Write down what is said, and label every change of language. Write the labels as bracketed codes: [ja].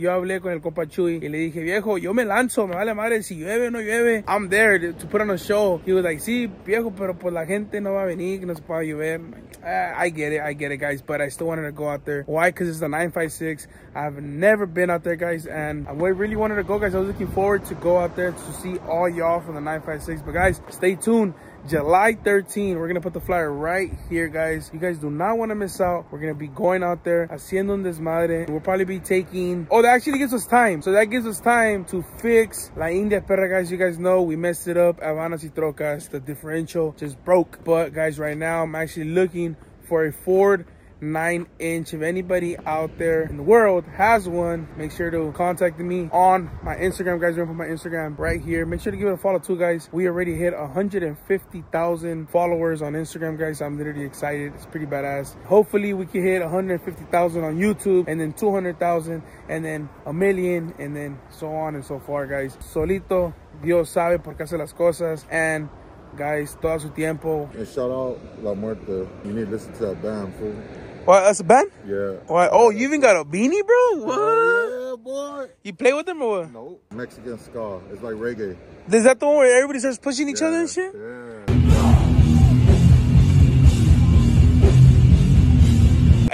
[es] Yo hablé con el compa Chuy y le dije, viejo, yo me lanzo. Me vale madre si llueve o no llueve. [en] I'm there to put on a show. He was like, [es] sí, viejo, pero pues la gente no va a venir, que no se puede llover. [en] I get it, guys, but I still wanted to go out there. Why? Because it's the 956. I've never been out there, guys, and I really wanted to go, guys. I was looking forward to go out there to see all y'all from the 956. But guys, stay tuned. July 13th, we're gonna put the flyer right here, guys. You guys do not want to miss out. We're gonna be going out there, [es] haciendo un desmadre. [en] We'll probably be taking, oh, that actually gives us time. So that gives us time to fix La India Perra, guys. You guys know we messed it up. Habanas y Trocas, the differential just broke. But guys, right now I'm actually looking for a Ford 9-inch. If anybody out there in the world has one, make sure to contact me on my Instagram, guys. Remember my Instagram right here. Make sure to give it a follow too, guys. We already hit 150,000 followers on Instagram, guys. I'm literally excited. It's pretty badass. Hopefully we can hit 150,000 on YouTube, and then 200,000, and then 1,000,000, and then so on and so far, guys. [es] Solito Dios sabe por qué hace las cosas. [en] And guys, [es] todo su tiempo. [en] And shout out La Muerte. You need to listen to that band, fool. What, that's a band? Yeah. Why? Oh, you even got a beanie, bro? What? Oh, yeah, boy. You play with them or what? Nope. Mexican ska. It's like reggae. Is that the one where everybody starts pushing each other and shit? Yeah.